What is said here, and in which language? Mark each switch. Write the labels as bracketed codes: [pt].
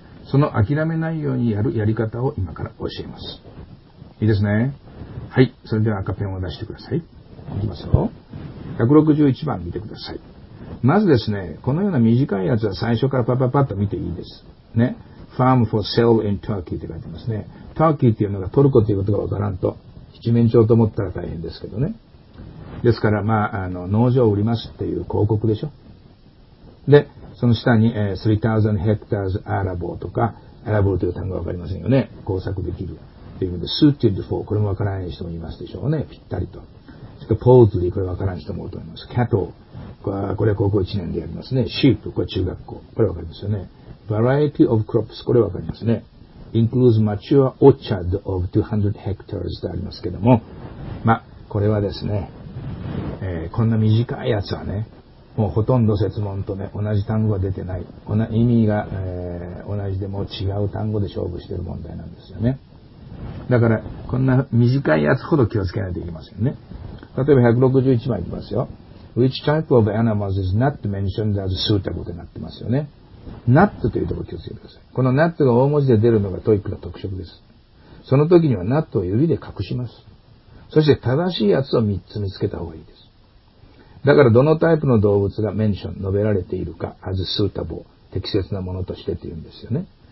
[ja] その諦めないようにやるやり方を今から教えます。いいですね。はい、それでは赤ペンを出してください。いきますよ。161番見てください。まずですね、このような短いやつは最初からパッパッパッと見ていいですね。 [en] Farm for sale in Turkey [ja] って書いてますね。 Turkey っていうのがトルコということがわからんと七面鳥と思ったら大変ですけどね。ですから、まあ、農場を売りますっていう広告でしょ。で、その下に、 [en] 3000 hectares arable [ja] とか、arable という単語は分かりませんよね。工作できるというので、 [en] suited for、 [ja] これも分からない人もいますでしょうね。ぴったりと。それから poultry、 これ分からない人も多いと思います。cattle、 これは高校1年でやりますね。 sheep、 これは中学校、これ分かりますよね。 [en] variety of crops、 [ja] これ分かりますね。 [en] includes mature orchard of 200 hectares [ja] とありますけども、まあ、これはですね、こんな短いやつはね、もうほとんど設問とね、同じ単語が出てない。意味が、同じでも違う単語で勝負している問題なんですよね。だから、こんな短いやつほど気をつけないといけませんね。例えば161番いきますよ。 [en] Which type of animals is not mentioned as suitable [ja] となってますよね。 not というところ気をつけてください。この not が大文字で出るのがトイックの特色です。その時には not を指で隠します。そして正しいやつを3つ見つけた方がいいです。だから、どのタイプの動物がメンション、述べられているか、 [en] as suitable、 [ja] 適切なものとしてというんですよね。